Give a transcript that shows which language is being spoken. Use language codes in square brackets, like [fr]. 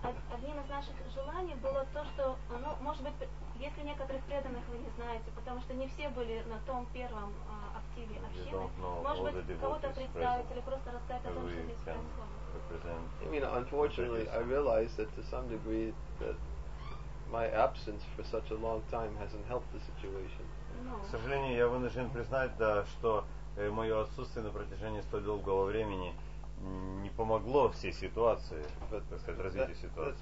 [ru] Одним из наших желаний было то, что, ну, может быть, если некоторых преданных вы не знаете, потому что не все были на том первом активе общины, может быть, кого-то представить или просто рассказать о том, что здесь происходит. [en] I mean, unfortunately, I realize that to some degree that my absence for such a long time hasn't helped the situation. [ru] К сожалению, я вынужден признать, да, что мое отсутствие на протяжении столь долгого времени не помогло всей ситуации, [en] but [ru] так сказать, развитию ситуации.